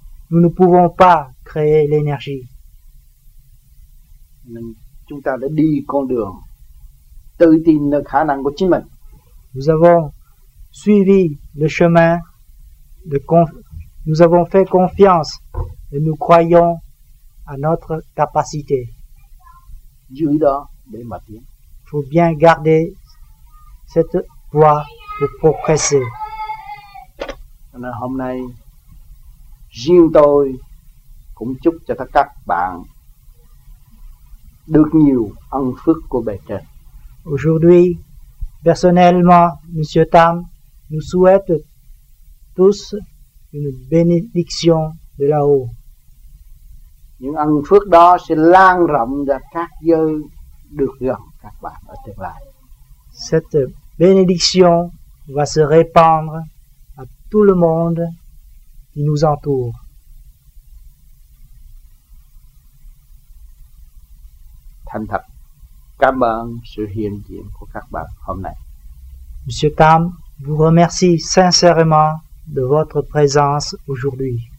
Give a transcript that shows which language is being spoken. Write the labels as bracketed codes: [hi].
[fr] Nous ne pouvons pas créer l'énergie. [vi] Nên chúng ta đã đi con đường tự tin nơi khả năng của chính mình. [fr] Nous avons suivi le chemin de nous avons fait confiance et nous croyons à notre capacité. [vi] Giữ đó để mà tiến. [fr] Il faut bien garder cette voie pour progresser. [vi] Hôm nay riêng tôi cũng chúc cho tất cả các bạn được nhiều ân phước của bề trên. [fr] Aujourd'hui, personnellement, Monsieur Tam, nous souhaitons tous une bénédiction de là-haut. [vi] Những ân phước đó sẽ lan rộng ra các giới được gần các bạn ở tương lai. [fr] Cette bénédiction va se répandre à tout le monde qui nous entoure. [vi] Thành thật. Cảm ơn sự hiện diện của các bạn hôm nay. [fr] Monsieur Tam, vous remercie sincèrement de votre présence aujourd'hui.